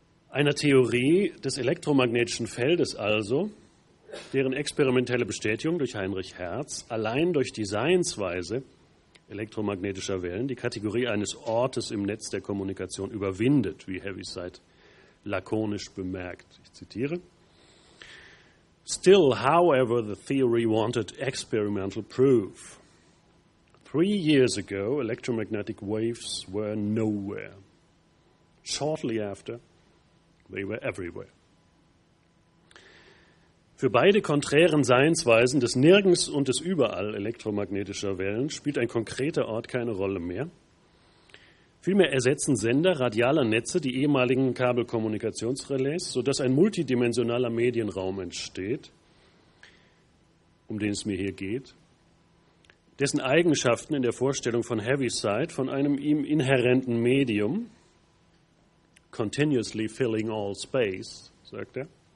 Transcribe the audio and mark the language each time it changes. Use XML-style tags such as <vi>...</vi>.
<de>Einer Theorie des elektromagnetischen Feldes also, deren experimentelle Bestätigung durch Heinrich Hertz allein durch die Seinsweise elektromagnetischer Wellen die Kategorie eines Ortes im Netz der Kommunikation überwindet, wie Heaviside lakonisch bemerkt, ich zitiere:</de> <en>Still, however, the theory wanted experimental proof. 3 years ago, electromagnetic waves were nowhere. Shortly after, they were everywhere.</en> <de>Für beide konträren Seinsweisen des Nirgends und des Überall elektromagnetischer Wellen spielt ein konkreter Ort keine Rolle mehr. Vielmehr ersetzen Sender radialer Netze die ehemaligen Kabelkommunikationsrelais, sodass ein multidimensionaler Medienraum entsteht, um den es mir hier geht, dessen Eigenschaften in der Vorstellung von Heaviside von einem ihm inhärenten Medium,</de> <en>continuously filling all space,</en> <de>sagt er,</de>